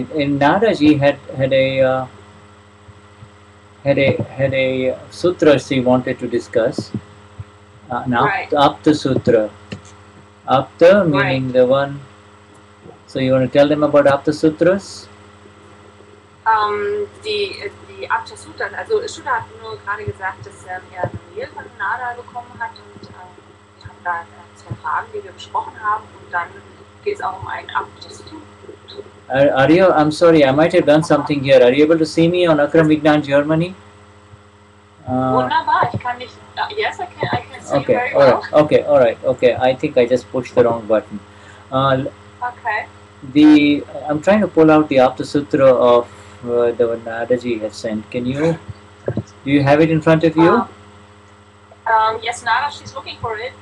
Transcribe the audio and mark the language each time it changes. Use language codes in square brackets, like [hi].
[en] And Nadaji had a sutra she wanted to discuss. Apta sutra. Apta meaning right. The one. So you want to tell them about Apta Sutras? [de] The Apta Sutra, also Shuddha hat nur gerade gesagt, dass er mir eine Mail von Nada bekommen hat und wir haben da zwei Fragen, die wir besprochen haben und dann geht es auch um ein Apta Sutra. [en] Are you, I'm sorry, I might have done something here. Are you able to see me on Akram Vignan Germany? [de] Wunderbar, ich kann nicht, [en] yes, I can see okay, you very all right, well. Okay, alright, okay, I think I just pushed the wrong button. Okay. The I'm trying to pull out the Apta Sutra of the Nadaji has sent. Can you? Do you have it in front of you? Yes, Nada, she's looking for it.